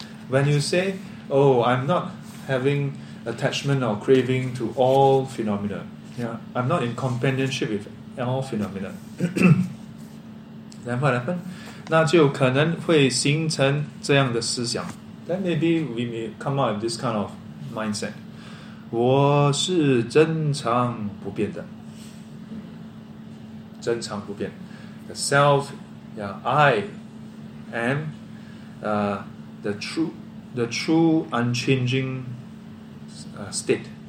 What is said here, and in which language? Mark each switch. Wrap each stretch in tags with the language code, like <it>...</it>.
<en>When you say, oh, I'm not having attachment or craving to all phenomena. Yeah, I'm not in companionship with all phenomena. Then what happened?</en> <zh>那就可能会形成这样的思想.</zh> <en>Then maybe we may come out with this kind of mindset.</en> <zh>我是真常不变的, 真常不变,</zh> <en>the self, yeah, I am the true unchanging state.</en>